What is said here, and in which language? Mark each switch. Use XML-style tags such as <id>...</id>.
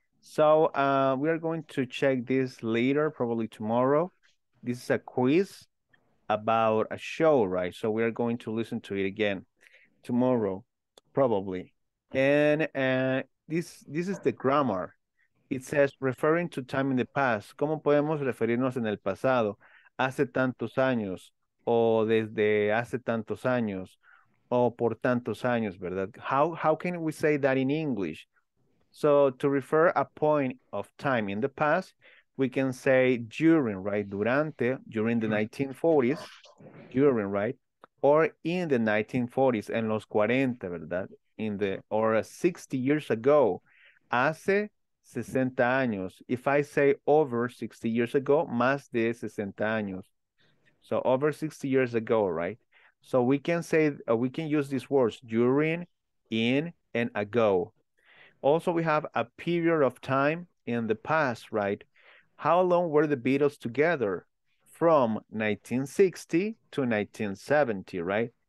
<en>So we are going to check this later, probably tomorrow. This is a quiz about a show, right? So we are going to listen to it again tomorrow, probably. And this is the grammar. It says, referring to time in the past.</en> <es>¿Cómo podemos referirnos en el pasado? Hace tantos años, o desde hace tantos años, o por tantos años, ¿verdad?</es> <en>How can we say that in English? So to refer a point of time in the past, we can say during, right? Durante, during the 1940s, during, right? Or in the 1940s,</en> <es>en los 40, ¿verdad?</es> <en>In the, or 60 years ago,</en> <es>hace 60 años.</es> <en>If I say over 60 years ago,</en> <es>más de 60 años.</es> <en>So over 60 years ago, right? So we can say, we can use these words, during, in, and ago. Also, we have a period of time in the past, right? How long were the Beatles together? From 1960 to 1970, right?</en>